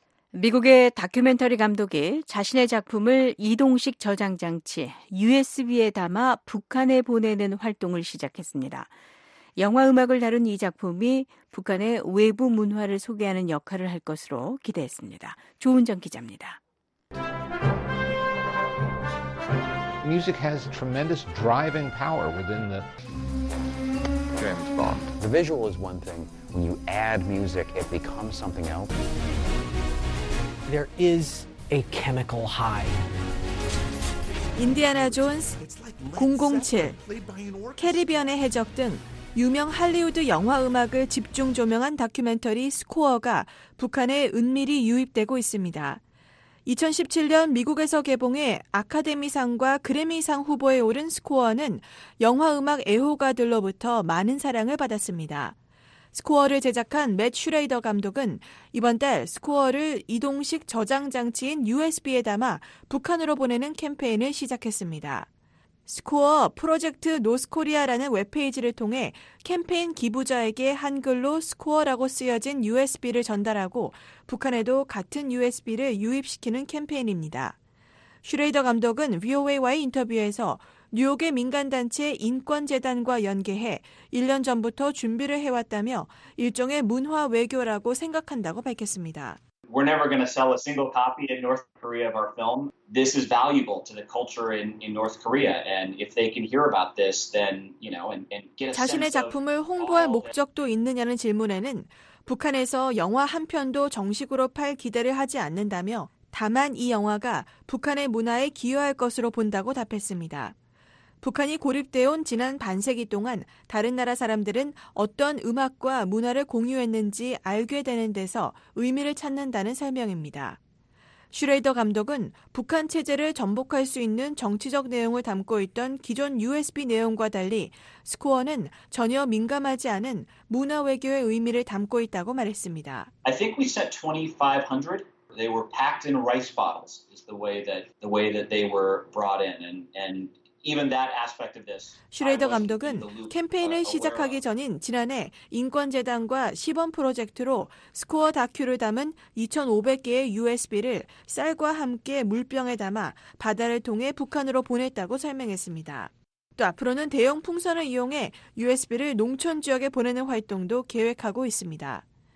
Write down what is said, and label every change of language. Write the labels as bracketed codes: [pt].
[ko] 미국의 다큐멘터리 감독이 자신의 작품을 이동식 저장장치 USB에 담아 북한에 보내는 활동을 시작했습니다. 영화 음악을 다룬 이 작품이 북한의 외부 문화를 소개하는 역할을 할 것으로 기대했습니다. 조은정 기자입니다. [en] Music has tremendous driving power within the James Bond. The visual is one thing. When you add music, it becomes something else. There is a chemical high. [ko] 인디아나 존스, 007, 캐리비안의 해적 등 유명 할리우드 영화 음악을 집중 조명한 다큐멘터리 스코어가 북한에 은밀히 유입되고 있습니다. 2017년 미국에서 개봉해 아카데미상과 그래미상 후보에 오른 스코어는 영화 음악 애호가들로부터 많은 사랑을 받았습니다. 스코어를 제작한 맷 슈레이더 감독은 이번 달 스코어를 이동식 저장장치인 USB에 담아 북한으로 보내는 캠페인을 시작했습니다. 스코어 프로젝트 노스코리아라는 웹페이지를 통해 캠페인 기부자에게 한글로 스코어라고 쓰여진 USB를 전달하고 북한에도 같은 USB를 유입시키는 캠페인입니다. 슈레이더 감독은 VOA와의 인터뷰에서 뉴욕의 민간단체 인권재단과 연계해 1년 전부터 준비를 해왔다며 일종의 문화 외교라고 생각한다고 밝혔습니다. [en] We're never going to sell a single copy in North Korea of our film. This is valuable to the culture in North Korea. And if they can hear about this, then, you know, and get a sense of... [ko] 자신의 작품을 홍보할 목적도 있느냐는 질문에는 북한에서 영화 한 편도 정식으로 팔 기대를 하지 않는다며 다만 이 영화가 북한의 문화에 기여할 것으로 본다고 답했습니다. 북한이 고립되어 온 지난 반세기 동안 다른 나라 사람들은 어떤 음악과 문화를 공유했는지 알게 되는 데서 의미를 찾는다는 설명입니다. 슈레이더 감독은 북한 체제를 전복할 수 있는 정치적 내용을 담고 있던 기존 USB 내용과 달리 스코어는 전혀 민감하지 않은 문화 외교의 의미를 담고 있다고 말했습니다. [en] I think we set 2,500. They were packed in rice bottles is the way that they were brought in and even that aspect of this. [ko] 슈레이더 감독은 캠페인을 시작하기 전인 지난해 인권재단과 시범 프로젝트로 스코어 다큐를 담은 2,500개의 USB를 쌀과 함께 물병에 담아 바다를 통해 북한으로 보냈다고 설명했습니다. 또 앞으로는 대형 풍선을 이용해 USB를 농촌 지역에 보내는 활동도 계획하고 있습니다.